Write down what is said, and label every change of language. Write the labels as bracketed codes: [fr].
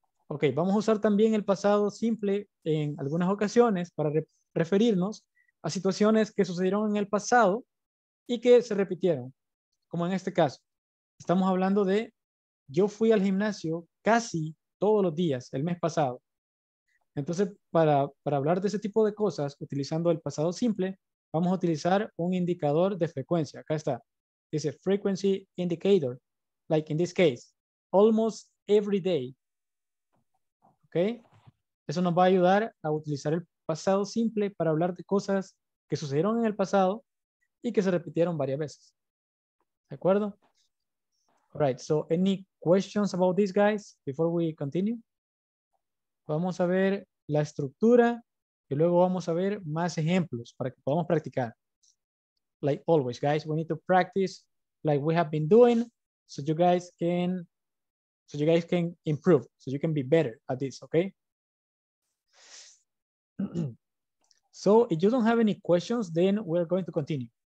[es] Okay, vamos a usar también el pasado simple en algunas ocasiones para referirnos a situaciones que sucedieron en el pasado y que se repitieron, como en este caso. Estamos hablando de, yo fui al gimnasio casi todos los días el mes pasado. Entonces, para hablar de ese tipo de cosas, utilizando el pasado simple, vamos a utilizar un indicador de frecuencia. Acá está. Dice [en] frequency indicator, like in this case, almost every day. Okay. [es] Eso nos va a ayudar a utilizar el pasado simple para hablar de cosas que sucedieron en el pasado y que se repitieron varias veces. ¿De acuerdo? [en] All right. So, any questions about these guys before we continue? [es] Vamos a ver la estructura y luego vamos a ver más ejemplos para que podamos practicar. [en] Like always, guys, we need to practice like we have been doing so you guys can improve, so you can be better at this, okay? So if you don't have any questions, then we're going to continue.